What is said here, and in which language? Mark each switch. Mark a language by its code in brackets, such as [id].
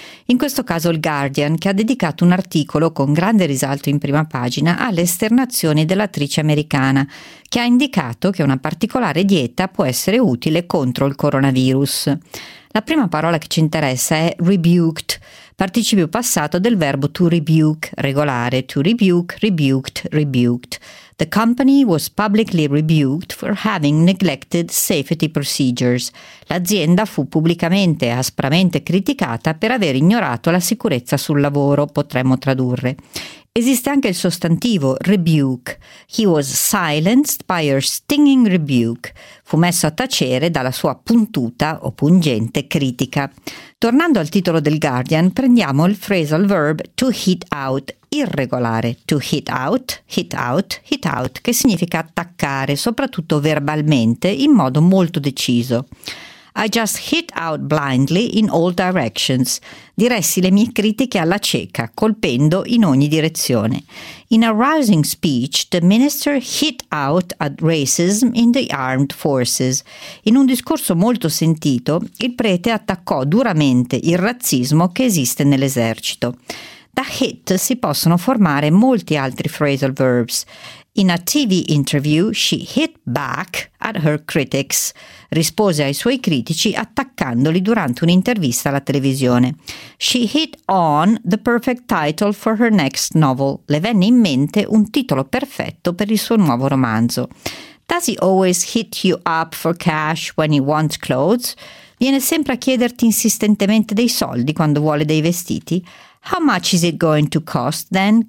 [it] In questo caso il Guardian, che ha dedicato un articolo con grande risalto in prima pagina alle esternazioni dell'attrice americana, che ha indicato che una particolare dieta può essere utile contro il coronavirus. La prima parola che ci interessa è rebuked, participio passato del verbo to rebuke, regolare, to rebuke, rebuked, rebuked. [en] The company was publicly rebuked for having neglected safety procedures. [it] L'azienda fu pubblicamente e aspramente criticata per aver ignorato la sicurezza sul lavoro, potremmo tradurre. Esiste anche il sostantivo rebuke. [en] He was silenced by her stinging rebuke. [it] Fu messo a tacere dalla sua puntuta o pungente critica. Tornando al titolo del Guardian, prendiamo il phrasal verb to hit out, irregolare, to hit out, hit out, hit out, che significa attaccare, soprattutto verbalmente, in modo molto deciso. [en] I just hit out blindly in all directions. [it] Diressi le mie critiche alla cieca, colpendo in ogni direzione. [en] In a rousing speech, the minister hit out at racism in the armed forces. [it] In un discorso molto sentito, il prete attaccò duramente il razzismo che esiste nell'esercito. Da hit si possono formare molti altri phrasal verbs. [en] In a TV interview, she hit back at her critics. [it] Rispose ai suoi critici attaccandoli durante un'intervista alla televisione. [en] She hit on the perfect title for her next novel. [it] Le venne in mente un titolo perfetto per il suo nuovo romanzo. [en] Does he always hit you up for cash when he wants clothes? [it] Viene sempre a chiederti insistentemente dei soldi quando vuole dei vestiti? [en] How much is it going to cost then?